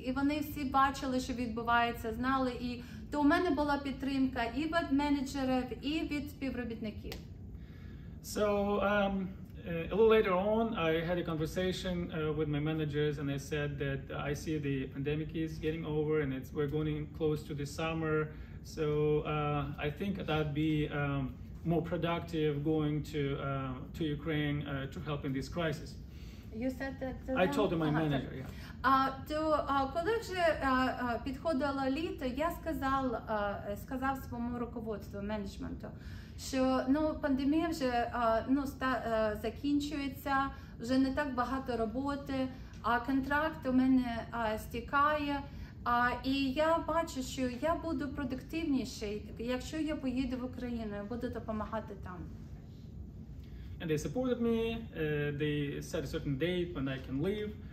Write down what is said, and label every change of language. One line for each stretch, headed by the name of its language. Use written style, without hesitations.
Ukrainian: І вони всі бачили, що відбувається, знали. І то у мене була підтримка і від менеджерів, і від співробітників.
English: So, a little later on, I had a conversation with my managers, and I said that I see the pandemic is getting over, and we're going close to the summer. So, I think that'd be more productive going to Ukraine to help in this crisis. You said that to them? I told my manager, yeah.
Ukrainian: Коли вже підходило літо, я сказав своєму руководству, менеджменту, що пандемія вже закінчується, вже не так багато роботи, а контракт у мене стікає. І я бачу, що я буду продуктивніший, якщо я поїду в Україну, я буду допомагати там.
English: And they supported me, they set a certain date when I can leave.